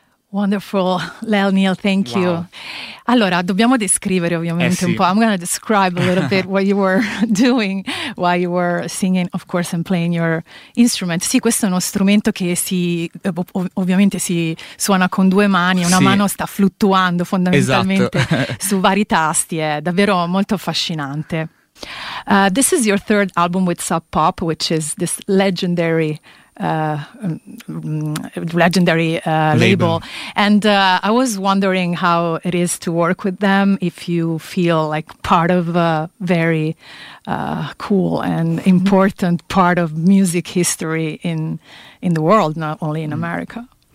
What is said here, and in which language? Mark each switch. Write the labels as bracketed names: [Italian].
[English] Wonderful, Lel Neal, thank you. [Italian] Allora, dobbiamo descrivere ovviamente un po'. [English] I'm going to describe a little bit what you were doing while you were singing, of course, and playing your instrument. [Italian] Sì, questo è uno strumento che si ovviamente si suona con due mani, una mano sta fluttuando fondamentalmente su vari tasti, è davvero molto affascinante. [English] This is your third album with Sub Pop, which is this legendary label. And I was wondering how it is to work with them, if you feel like part of a very cool and important part of music history in the world, not only in America.